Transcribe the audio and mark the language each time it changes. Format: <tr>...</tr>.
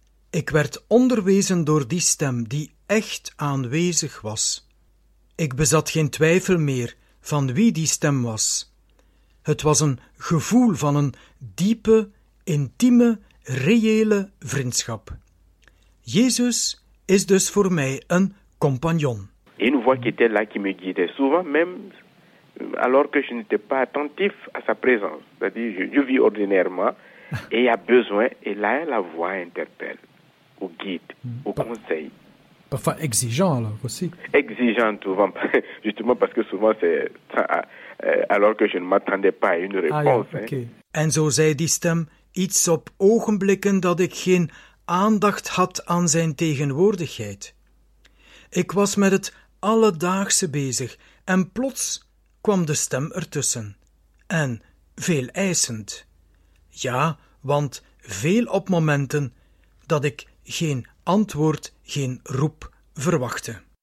<nl>Ik werd onderwezen door die stem die echt aanwezig was. Ik bezat geen twijfel meer van wie die stem was. Het was een gevoel van een diepe, intieme, reële vriendschap. Jezus is dus voor mij een compagnon.</nl> <fr>Une voix qui était là qui me guidait souvent, même alors que je n'étais pas attentif à sa présence. C'est-à-dire, je vis ordinairement et il y a besoin, et là, la voix interpelle, ou guide, ou conseille. Parfois exigeant, alors, aussi. Exigeant, souvent, justement parce que souvent, c'est alors que je ne m'attendais pas à une réponse. yeah, okay. Hein.</fr> <nl>En zo zei die stem iets op ogenblikken dat ik geen aandacht had aan zijn tegenwoordigheid. Ik was met het alledaagse bezig en plots kwam de stem ertussen. En veel eisend. Ja, want veel op momenten dat ik geen antwoord, geen roep verwachtte.</nl>